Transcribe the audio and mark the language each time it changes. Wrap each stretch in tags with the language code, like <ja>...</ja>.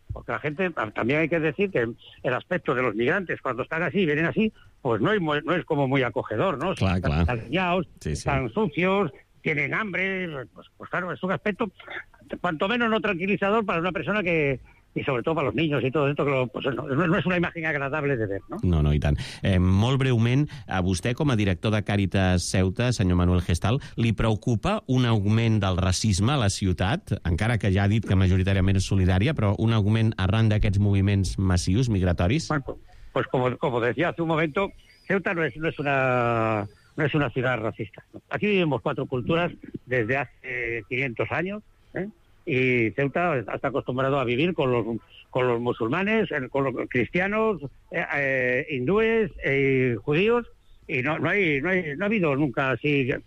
<es>Porque la gente, también hay que decir que el aspecto de los migrantes, cuando están así y vienen así, pues no es como muy acogedor, ¿no? Claro, están claro. Aliñados, sí, están sí. Sucios, tienen hambre, pues claro, es un aspecto cuanto menos no tranquilizador para una persona que, y sobre todo para los niños y todo esto, que pues no es una imagen agradable de ver, ¿no?</es> <ca>No, i tant. Molt breument, a vostè com a director de Càritas Ceuta, senyor Manuel Gestal, li preocupa un augment del racisme a la ciutat, encara que ja ha dit que majoritàriament és solidària, però un augment arran d'aquests moviments massius migratoris?</ca> <es>Bueno, pues como decía hace un momento, Ceuta no es una ciudad racista. Aquí vivimos cuatro culturas desde hace 500 años, y Ceuta está acostumbrado a vivir con los musulmanes, con los cristianos, hindúes y judíos, y no ha habido nunca así.</es>